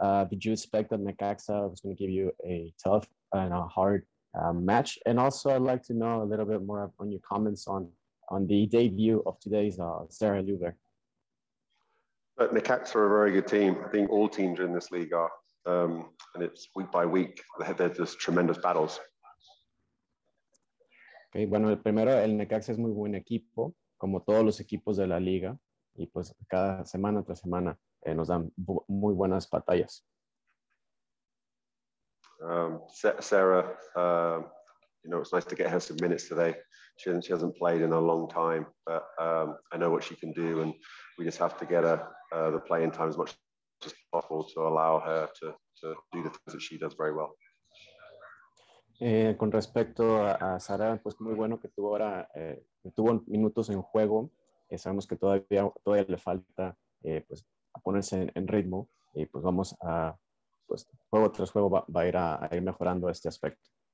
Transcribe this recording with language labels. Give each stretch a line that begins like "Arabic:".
English: Did you expect that Necaxa was going to give you a tough and a hard match? And also, I'd like to know a little bit more on your comments on the debut of today's Sarah Luber. But Necaxa are a very good team. I think all teams in this league are, and it's week by week. They're just tremendous battles.
Spanish: Okay, bueno, primero el Necaxa es muy buen equipo, como todos los equipos de la liga, y pues cada semana tras semana nos dan bu muy buenas batallas.
English: Sarah, it's nice to get her some minutes today. She hasn't played in a long time, but I know what she can do, and we just have to get her the playing time as much as possible to allow her to do the things that she does very well.
Spanish: Con respecto a Sara, pues muy bueno que tuvo ahora, tuvo minutos en juego. Sabemos que todavía le falta pues, a ponerse en ritmo y pues vamos a, pues juego tras juego va a ir a ir mejorando este aspecto.